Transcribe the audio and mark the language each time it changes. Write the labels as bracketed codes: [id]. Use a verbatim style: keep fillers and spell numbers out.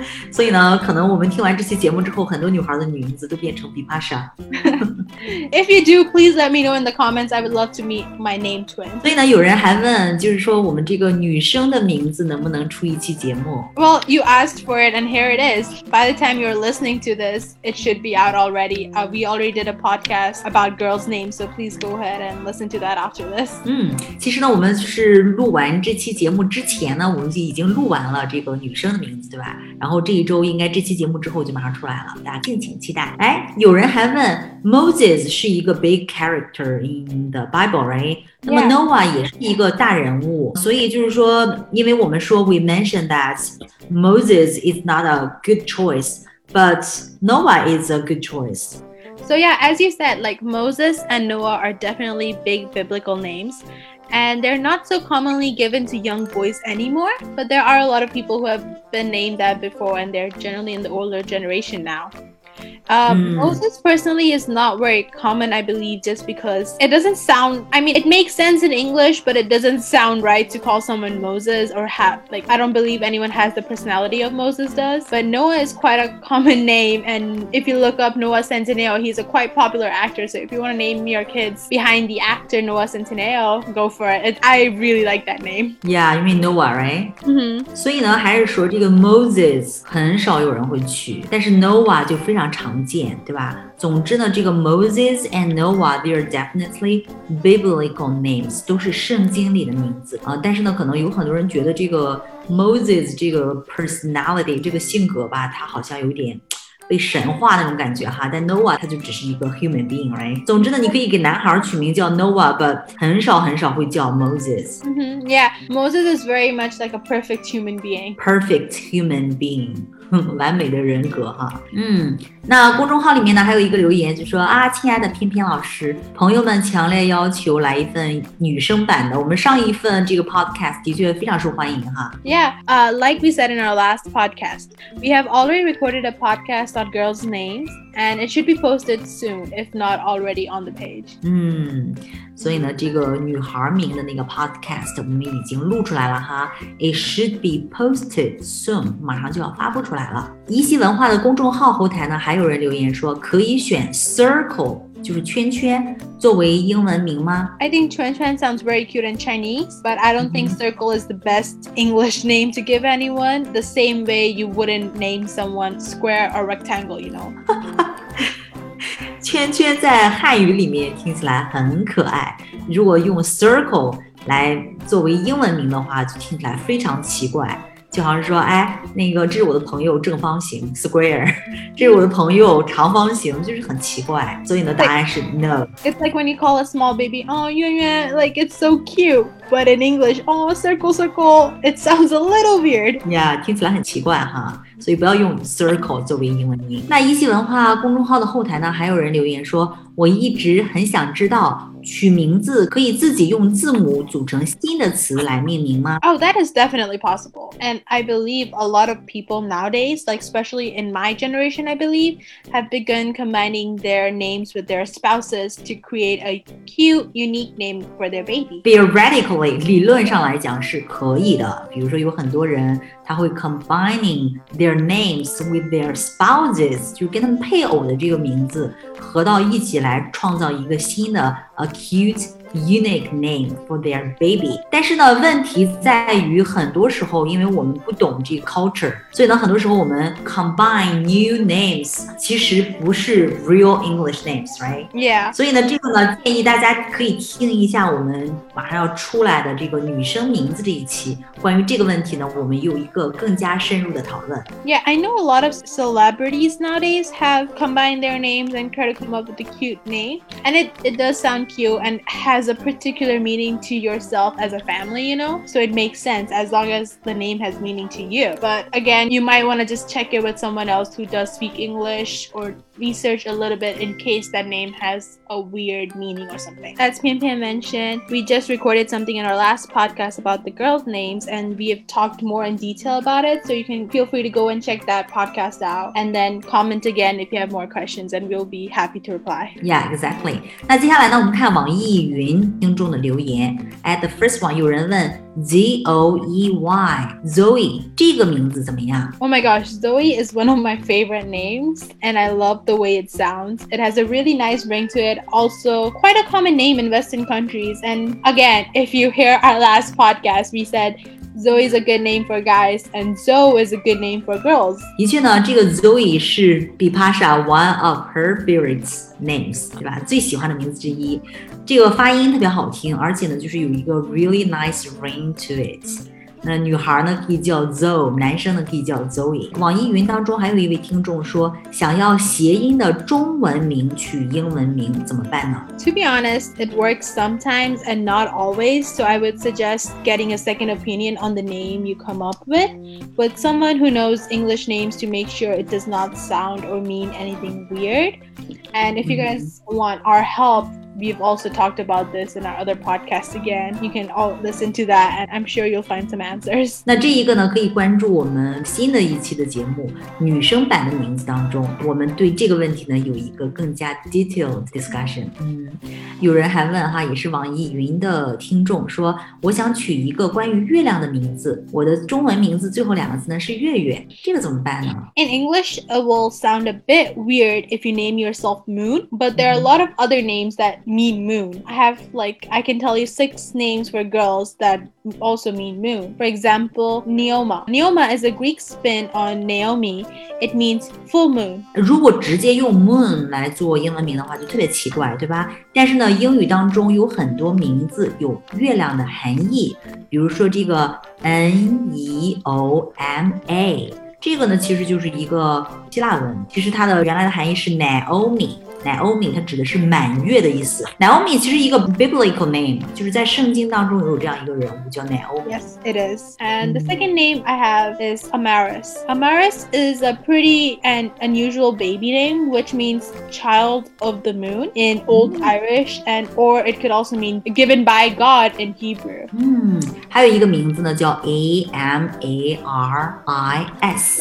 [zh] 所以呢，可能我们听完这期节目之后，很多女孩的名字都变成 Bipasha. [en] If you do, please let me know in the comments. I would love to meet my name twin. [zh] 所以呢，有人还问。就是说我们这个女生的名字能不能出一期节目 [en] Well, you asked for it and here it is. By the time you're listening to this, it should be out already. Uh, we already did a podcast about girls' names, so please go ahead and listen to that after this. [zh] 嗯，其实呢，我们是录完这期节目之前呢，我们就已经录完了这个女生的名字，对吧？然后这一周应该这期节目之后就马上出来了，大家敬请期待。哎，有人还问 Moses 是一个 [en] big character in the Bible, right? [zh] 那么 Noah 也是一个大人物，所以就是说，因为我们说 [en] we mentioned that Moses is not a good choice, but Noah is a good choice. So yeah, as you said, like Moses and Noah are definitely big biblical names, and they're not so commonly given to young boys anymore, but there are a lot of people who have been named that before, and they're generally in the older generation now. Um, mm. Moses personally is not very common, I believe, just because it doesn't sound, I mean, it makes sense in English, but it doesn't sound right to call someone Moses or have, like, I don't believe anyone has the personality of Moses does. But Noah is quite a common name, and if you look up Noah Centineo, he's a quite popular actor, so if you want to name your kids behind the actor Noah Centineo, go for it. it I really like that name. Yeah, you mean Noah, right? Mm-hmm. [zh] 所以呢，还是说这个 Moses 很少有人会取，但是 Noah 就非常常见，对吧？总之呢，这个 [en] Moses and Noah they are definitely biblical names， [zh] 都是圣经里的名字啊。但是呢，可能有很多人觉得这个 Moses 这个 personality 这个性格吧，它好像有点被神化那种感觉哈，但 Noah 他就只是一个 [en] human being, right? [zh] 总之呢，你可以给男孩取名叫 Noah, but 很少很少会叫 Moses. Mm-hmm. [en] Yeah, Moses is very much like a perfect human being. Perfect human being. [zh] 完美的人格哈。嗯，那公众号里面呢还有一个留言就说啊，亲爱的翩翩老师，朋友们强烈要求来一份女生版的，我们上一份这个 podcast 的确非常受欢迎哈。 [en] Yeah, uh, like we said in our last podcast, we have already recorded a podcast on girls' names, and it should be posted soon, if not already on the page. [zh] 嗯，所以呢，这个女孩名的那个 podcast 我们已经录出来了哈。 [en] It should be posted soon, [zh] 马上就要发布出来。一席文化的公众号后台呢，还有人留言说可以选 circle， 就是圈圈作为英文名吗？ [en] I think 圈圈 sounds very cute in Chinese, but I don't think circle is the best English name to give anyone, the same way you wouldn't name someone square or rectangle, you know? [zh] 圈圈在汉语里面听起来很可爱，如果用 circle 来作为英文名的话，就听起来非常奇怪。就好像说，哎，那个这是我的朋友正方形 square， 这是我的朋友长方形，就是很奇怪。所以呢，答案是 no。 [en] It's like when you call a small baby, oh, Yuan Yuan, like it's so cute, but in English, oh, circle, circle, it sounds a little weird. [zh] Yeah， 听起来很奇怪哈。所以不要用 circle 作为英文名。那一席文化公众号的后台呢，还有人留言说，我一直很想知道。取名字可以自己用字母组成新的词来命名吗？ [en] Oh, that is definitely possible. And I believe a lot of people nowadays, like especially in my generation, I believe, have begun combining their names with their spouses to create a cute, unique name for their baby. [zh] Theoretically, 理论上来讲是可以的。比如说有很多人他会 [en] combining their names with their spouses, [zh] 就跟他们配偶的这个名字合到一起来创造一个新的 [en] A cute, unique name for their baby. [zh] 但是呢，问题在于很多时候，因为我们不懂这个 culture， 所以呢，很多时候我们 [en] combine new names， [zh] 其实不是 [en] real English names, right? Yeah. [zh] 所以呢，这个呢，建议大家可以听一下我们马上要出来的这个女生名字这一期，关于这个问题呢，我们有一个更加深入的讨论。 [en] Yeah, I know a lot of celebrities nowadays have combined their names and try to come up with a cute name, and it it does sound cute and has a particular meaning to yourself as a family, you know? So it makes sense as long as the name has meaning to you. But again, you might want to just check it with someone else who does speak English or research a little bit in case that name has a weird meaning or something. As Pian Pian mentioned, we just recorded something in our last podcast about the girls' names, and we have talked more in detail about it. So you can feel free to go and check that podcast out and then comment again if you have more questions, and we'll be happy to reply. Yeah, exactly. [zh] 那接下来呢，我们看网易云听众的留言。 [en] At the first one, [zh] 有人问Z O E Y Zoe 这个名字怎么样？ [en] Oh my gosh, Zoe is one of my favorite names, and I love the way it sounds. It has a really nice ring to it, also quite a common name in Western countries. And again, if you hear our last podcast, we said Zoe is a good name for guys and Zoe is a good name for girls. [zh] 的确呢，这个 Zoe 是 Bipasha [en] one of her favorites names， [zh] 对吧？最喜欢的名字之一。这个发音特别好听，而且呢，就是有一个 [en] really nice ring to it。 [zh] 那女孩呢可以叫 Zoe， 男生呢可以叫 Zoe。网易云当中还有一位听众说想要谐音的中文名取英文名怎么办呢？ [en] To be honest, it works sometimes and not always, so I would suggest getting a second opinion on the name you come up with with someone who knows English names to make sure it does not sound or mean anything weird. And if you guys want our help, we've also talked about this in our other podcast again. You can all listen to that and I'm sure you'll find some answers. [zh] 那这一个呢可以关注我们新的一期的节目女生版的名字当中，我们对这个问题呢有一个更加 [en] detailed discussion。 [zh] 嗯，有人还问哈，也是网易云的听众说我想取一个关于月亮的名字，我的中文名字最后两个字呢是月月，这个怎么办呢？ [en] In English, it will sound a bit weird if you name yourself Moon, but there are a lot of other names that mean moon. I have like, I can tell you six names for girls that also mean moon. For example, Neoma. Neoma is a Greek spin on Naomi. It means full moon. [zh] 如果直接用 moon 来做英文名的话就特别奇怪，对吧？但是呢英语当中有很多名字有月亮的含义，比如说这个 N E O M A， 这个呢其实就是一个希腊文，其实它的原来的含义是 Naomi。 Naomi 它指的是满月的意思。Naomi 其实一个 biblical name， 就是在圣经当中有这样一个人物叫 Naomi。 [en] Yes, it is. And the second name I have is Amaris. Amaris is a pretty and unusual baby name, which means child of the moon in Old mm. Irish, and or it could also mean given by God in Hebrew. [zh] 嗯，还有一个名字呢叫 A M A R I S。